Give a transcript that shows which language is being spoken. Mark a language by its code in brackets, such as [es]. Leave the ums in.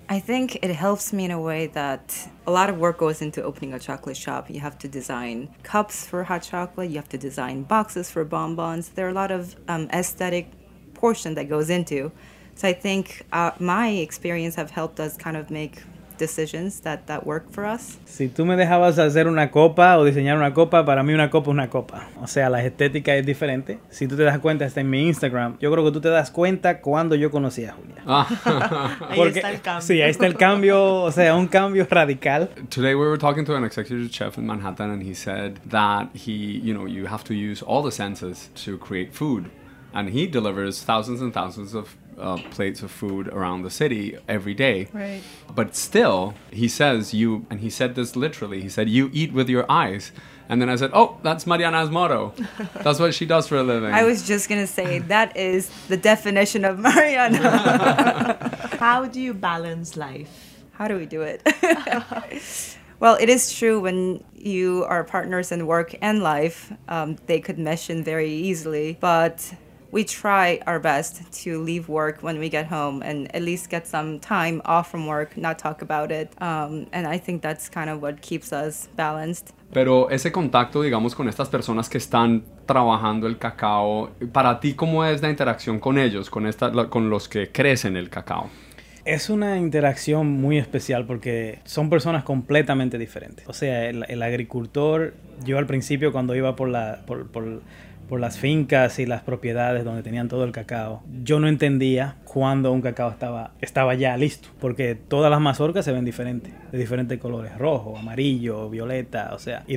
[en] I think it helps me in a way that a lot of work goes into opening a chocolate shop. You have to design cups for hot chocolate, you have to design boxes for bonbons. There are a lot of um, aesthetic portion that goes into. So I think uh, my experience have helped us kind of make decisions that, that work for us. [es] si tú me dejabas hacer una copa o diseñar una copa, para mí una copa es una copa. O sea, la estética es diferente. Si tú te das cuenta, está en mi Instagram. Yo creo que tú te das cuenta cuando yo conocí a Julia. Ahí está el cambio. Sí, ahí está el cambio. O sea, un cambio radical. [en] Today we were talking to an executive chef in Manhattan and he said that he, you know, you have to use all the senses to create food. And he delivers thousands and thousands of uh, plates of food around the city every day. Right. But still, he says you, and he said this literally. He said you eat with your eyes. And then I said, oh, that's Mariana's motto. That's what she does for a living. I was just gonna say that is the definition of Mariana. How do you balance life? How do we do it? well, it is true when you are partners in work and life, um, they could mesh in very easily, but we try our best to leave work when we get home and at least get some time off from work, not talk about it. Um, and I think that's kind of what keeps us balanced. [es] Pero ese contacto, digamos, con estas personas que están trabajando el cacao, para ti, ¿cómo es la interacción con ellos, con, esta, la- con los que crecen el cacao? Es una interacción muy especial porque son personas completamente diferentes. O sea, el, el agricultor, yo al principio cuando iba por, la, por, por- por las fincas y las propiedades donde tenían todo el cacao, yo no entendía cuándo un cacao estaba, estaba ya listo, porque todas las mazorcas se ven diferentes, de diferentes colores, rojo, amarillo, violeta, o sea, y